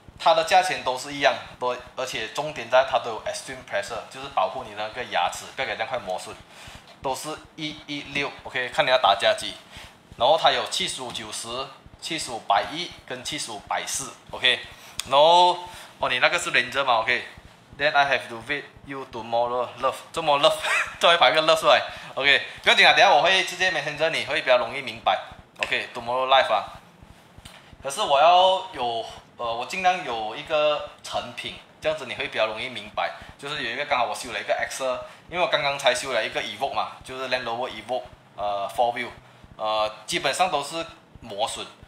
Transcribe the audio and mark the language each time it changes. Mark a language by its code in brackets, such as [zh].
[zh] 它的价钱都是一样，都而且重点在它都有 extreme pressure， 就是保护你的那个牙齿不要给这样快磨损，都是116 OK， 看你要打加几，然后它有75/90、75/100跟75/400 OK， 然后哦你那个是 Ranger 嘛 OK。 [en] Then I have to wait you tomorrow. [zh] Love， 这么 love， 再排个 love 出来。OK， 不要紧啊，等下我会直接 messenger 你，会比较容易明白。 [en] OK， tomorrow life 啊。 [zh] 可是我要有我尽量有一个成品，这样子你会比较容易明白。就是有一个刚好我修了一个 Excel， 因为我刚刚才修了一个 Evoque 嘛，就是 Land Rover Evoque， 4 wheel， 基本上都是磨损。